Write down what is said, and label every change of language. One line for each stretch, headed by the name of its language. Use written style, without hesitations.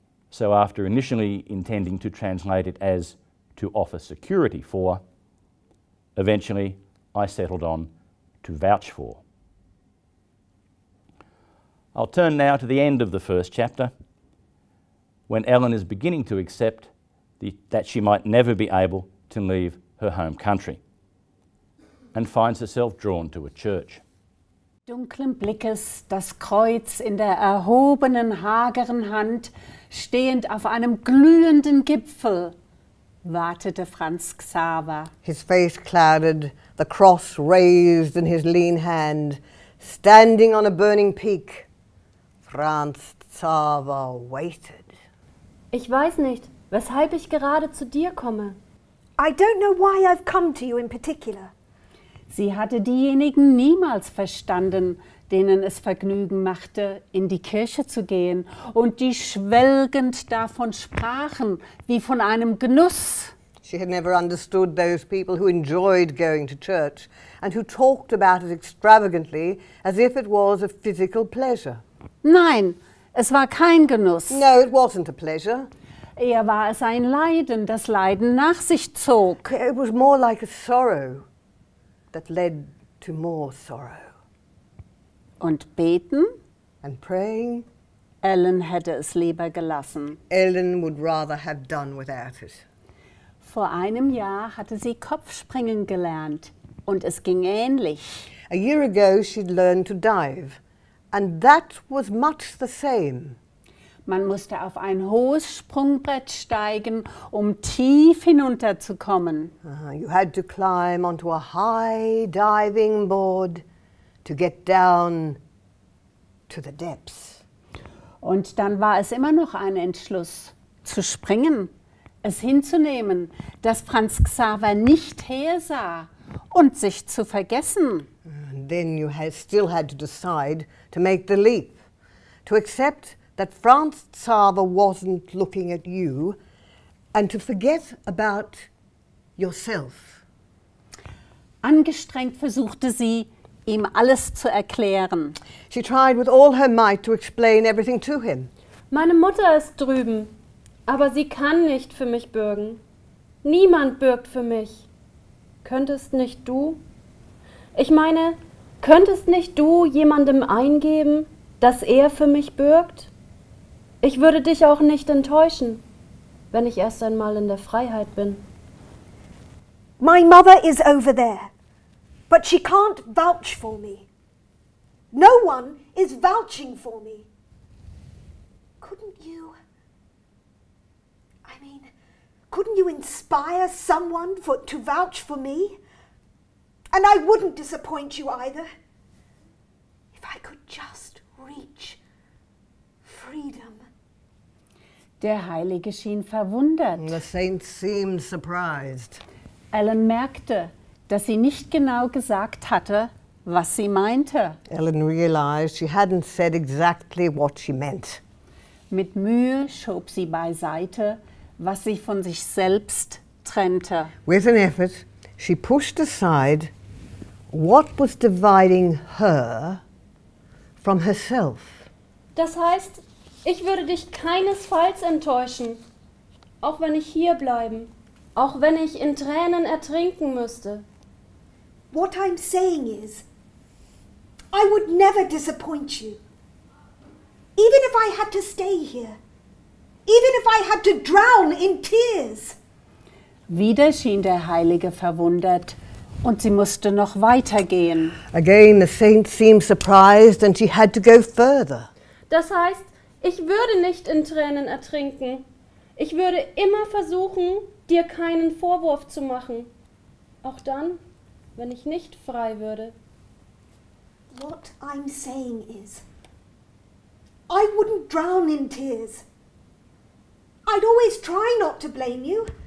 English: So after initially intending to translate it as to offer security for, eventually I settled on to vouch for. I'll turn now to the end of the first chapter, when Ellen is beginning to accept that she might never be able to leave her home country, and finds herself drawn to a church.
German: Dunklen Blickes, das Kreuz in der erhobenen, hageren Hand, stehend auf einem glühenden Gipfel, wartete Franz Xaver.
English: His face clouded, the cross raised in his lean hand, standing on a burning peak, Franz Xaver waited.
German: Ich weiß nicht, weshalb ich gerade zu dir komme.
English: I don't know why I've come to you in particular.
German: Sie hatte diejenigen niemals verstanden, denen es Vergnügen machte, in die Kirche zu gehen und die schwelgend davon sprachen, wie von einem Genuss.
English: She had never understood those people who enjoyed going to church and who talked about it extravagantly as if it was a physical pleasure.
German: Nein, es war kein Genuss.
English: No, it wasn't a pleasure.
German: Eher war es ein Leiden, das Leiden nach sich zog.
English: It was more like a sorrow that led to more sorrow.
German: Und beten?
English: And praying?
German: Ellen hätte es lieber gelassen.
English: Ellen would rather have done without it.
German: Vor einem Jahr hatte sie Kopfspringen gelernt und es ging ähnlich.
English: A year ago she'd learned to dive. And that was much the same.
German: Man musste auf ein hohes Sprungbrett steigen, um tief hinunterzukommen.
English: You had to climb onto a high diving board to get down to the depths.
German: Und dann war es immer noch ein Entschluss, zu springen, es hinzunehmen, dass Franz Xaver nicht hersah und sich zu vergessen.
English: Then you still had to decide to make the leap, to accept that Franz Xaver wasn't looking at you and to forget about yourself.
German: Angestrengt versuchte sie, ihm alles zu erklären.
English: She tried with all her might to explain everything to him.
German: Meine Mutter ist drüben, aber sie kann nicht für mich bürgen. Niemand bürgt für mich. Könntest nicht du? Ich meine, könntest nicht du jemandem eingeben, dass er für mich bürgt? Ich würde dich auch nicht enttäuschen, wenn ich erst einmal in der Freiheit bin.
English: My mother is over there, but she can't vouch for me. No one is vouching for me. Couldn't you? I mean, couldn't you inspire someone to vouch for me? And I wouldn't disappoint you either. If I could just reach freedom.
German: Der Heilige schien verwundert.
English: The saint seemed surprised.
German: Ellen merkte, dass sie nicht genau gesagt hatte, was sie meinte.
English: Ellen realized she hadn't said exactly what she meant.
German: Mit Mühe schob sie beiseite, was sie von sich selbst trennte.
English: With an effort, she pushed aside what was dividing her from herself.
German: Das heißt, ich würde dich keinesfalls enttäuschen, auch wenn ich hier bleiben, auch wenn ich in Tränen ertrinken müsste.
English: What I'm saying is, I would never disappoint you. Even if I had to stay here. Even if I had to drown in tears.
German: Wieder schien der Heilige verwundert, und sie musste noch weitergehen.
English: Again the saint seemed surprised and she had to go further.
German: Das heißt, ich würde nicht in Tränen ertrinken. Ich würde immer versuchen, dir keinen Vorwurf zu machen. Auch dann, wenn ich nicht frei würde.
English: What I'm saying is, I wouldn't drown in tears. I'd always try not to blame you.